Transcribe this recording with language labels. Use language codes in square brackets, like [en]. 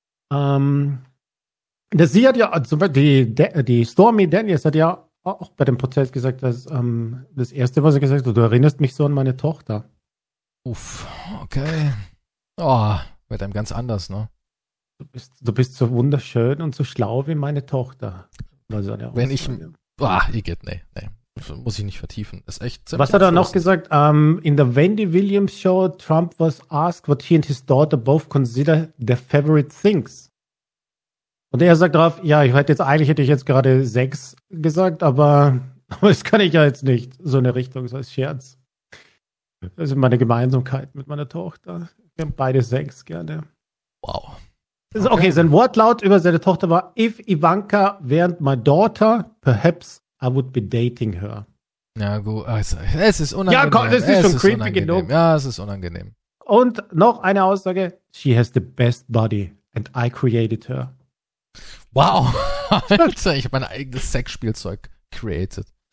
[de] Sie hat ja, also die Stormy Daniels hat ja auch bei dem Prozess gesagt, dass das Erste, was er gesagt hat, du erinnerst mich so an meine Tochter. Uff, okay. Oh, wird einem ganz anders, ne? Du bist so wunderschön und so schlau wie meine Tochter. Also, ja, wenn ich... Ah, ihr geht, nee. Muss ich nicht vertiefen. Ist echt ziemlich... Was hat er noch gesagt? In der Wendy Williams Show, [en] Trump was asked what he and his daughter both consider their favorite things. [de] Und er sagt drauf, ja, hätte ich jetzt gerade Sex gesagt, aber das kann ich ja jetzt nicht. So eine Richtung, so als Scherz. Das ist meine Gemeinsamkeit mit meiner Tochter. Wir haben beide Sex gerne. Wow. Okay, sein Wortlaut über seine Tochter war, [en] if Ivanka weren't my daughter, perhaps I would be dating her. [de] Ja gut, also, es ist unangenehm. Ja komm, das ist schon creepy genug. Ja, es ist unangenehm. Und noch eine Aussage, [en] she has the best body and I created her. [de] Wow, Alter, ich habe mein eigenes Sexspielzeug created.